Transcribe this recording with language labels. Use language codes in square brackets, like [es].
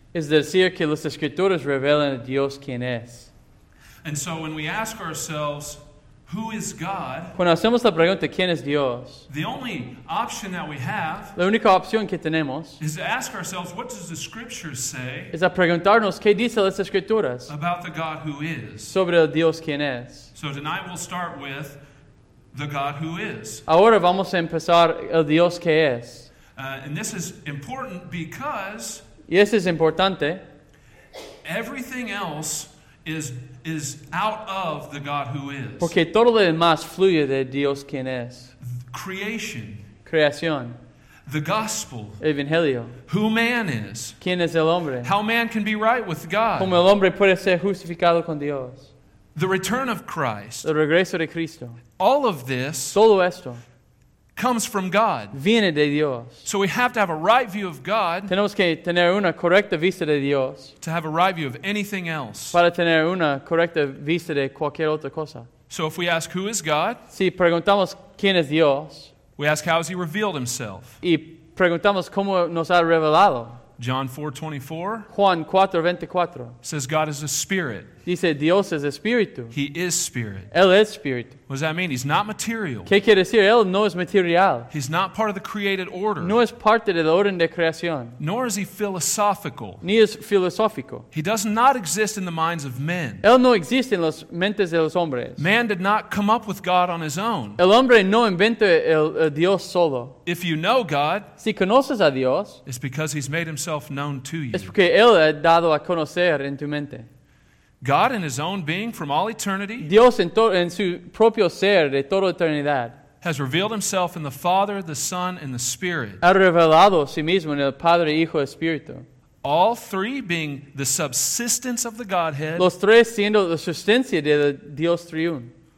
[es] Es decir, que las escrituras revelan a Dios quien es. [en] And so when we ask ourselves, who is God? [es] Cuando hacemos la pregunta, ¿quién es Dios? [en] The only option that we have, [es] la única opción que tenemos, [en] is to ask ourselves, what does the scripture say? [es] Es a preguntarnos, ¿qué dicen las escrituras? [en] About the God who is. [es] Sobre el Dios quien es. [en] So tonight we'll start with the God who is. [es] Ahora vamos a empezar el Dios que es. [en] And this is important because, [es] y esto es importante, [en] everything else is out of the God who is. [es] Porque todo lo demás fluye de Dios quien es. [en] Creation. [es] Creación. [en] The gospel. [es] Evangelio. [en] Who man is. [es] Quién es el hombre. [en] How man can be right with God. [es] Cómo el hombre puede ser justificado con Dios. [en] The return of Christ. [es] El regreso de Cristo. [en] All of this, [es] todo esto, [en] comes from God. [es] Viene de Dios. [en] So we have to have a right view of God. [es] Tenemos que tener una correcta vista de Dios. [en] To have a right view of anything else. [es] Para tener una correcta vista de cualquier otra cosa. [en] So if we ask, who is God? [es] Si preguntamos quién es Dios. [en] We ask, how has he revealed himself? [es] Y preguntamos cómo nos ha revelado. [en] John 4:24. [es] Juan 4:24. [en] Says God is a spirit. [es] Dice Dios es espíritu. [en] He is spirit. [es] Él es espíritu. [en] What does that mean? He's not material. [es] ¿Qué quiere decir? Él no es material. [en] He's not part of the created order. [es] No es parte del orden de creación. [en] Nor is he philosophical. [es] Ni es filosófico. [en] He does not exist in the minds of men. [es] Él no existe en las mentes de los hombres. [en] Man did not come up with God on his own. [es] El hombre no inventó el Dios solo. [en] If you know God, [es] si conoces a Dios, [en] it's because he's made himself known to you. [es] Es porque él ha dado a conocer en tu mente. [en] God in his own being from all eternity, [es] Dios en su propio ser de toda eternidad, [en] has revealed himself in the Father, the Son, and the Spirit. [es] Ha revelado a sí mismo en el Padre, Hijo y Espíritu. [en] All three being the subsistence of the Godhead. [es] Los tres siendo la sustancia de Dios triun.